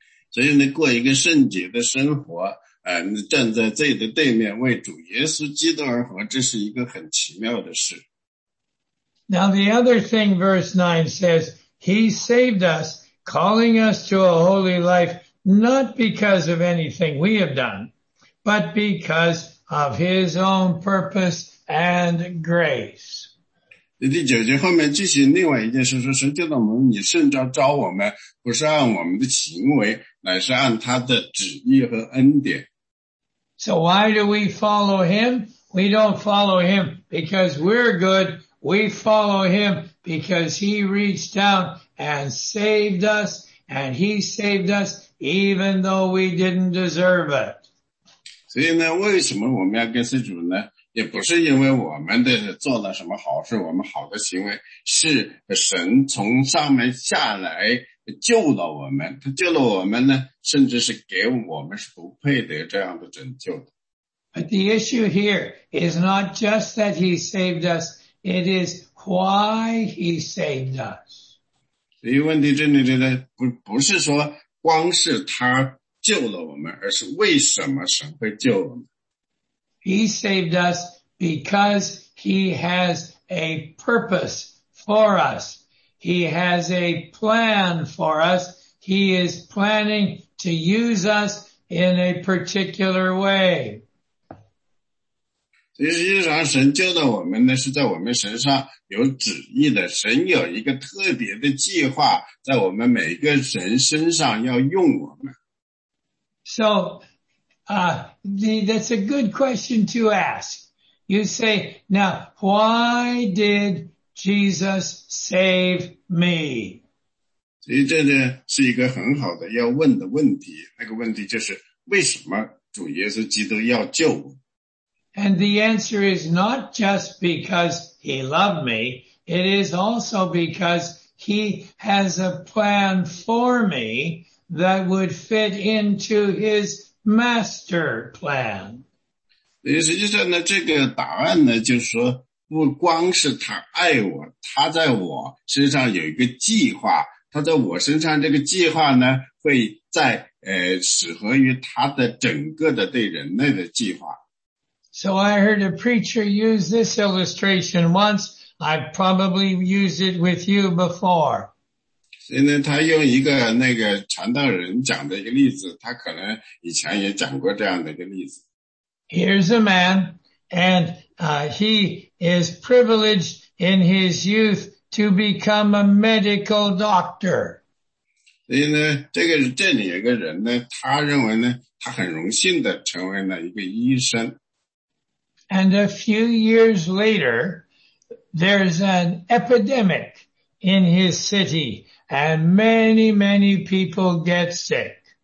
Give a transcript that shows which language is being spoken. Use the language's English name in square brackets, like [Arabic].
[Chinese] 所以呢，过一个圣洁的生活，站在罪的对面为主耶稣基督而活，这是一个很奇妙的事。 [English] Now the other thing verse 9 says, he saved us, calling us to a holy life, not because of anything we have done, but because of his own purpose and grace. [Chinese] 第九节后面继续另外一件事说，神救了我们，你圣召召我们，不是按我们的行为，乃是按他的旨意和恩典。 [English] So why do we follow him? We don't follow him because we're good. We follow him because he reached down and saved us, and he saved us even though we didn't deserve it. [Chinese] 所以呢，为什么我们要跟随主呢？也不是因为我们的做了什么好事，我们好的行为，是神从上面下来救了我们。他救了我们呢，甚至是给我们是不配得这样的拯救的。 [English] But the issue here is not just that he saved us, it is why he saved us. [Chinese] 所以问题这里呢，不是说光是他救了我们，而是为什么神会救我们。 [English] He saved us because he has a purpose for us. He has a plan for us. He is planning to use us in a particular way. [Chinese] 所以实际上神救了我们呢，是在我们身上有旨意的，神有一个特别的计划在我们每个人身上要用我们。 [English] So,that's a good question to ask. You say, now, why did Jesus save me? [Chinese] 所以这呢是一个很好的要问的问题。那个问题就是为什么主耶稣基督要救我？ [English] And the answer is not just because he loved me, it is also because he has a plan for me that would fit into his master plan. [Chinese] 实际上呢，这个答案呢，就是说不光是他爱我，他在我身上有一个计划，他在我身上这个计划呢，会在适合于他的整个的对人类的计划。 [English] So I heard a preacher use this illustration once. I've probably used it with you before. [Chinese] 所以呢，他用一个那个传道人讲的一个例子，他可能以前也讲过这样的一个例子。 [English] Here's a man, and he is privileged in his youth to become a medical doctor. [Chinese] 所以呢, 这里有个人呢, 他认为呢, 他很荣幸地成为了一个医生。 [English] And a few years later, there's an epidemic in his city, and many, many people get sick.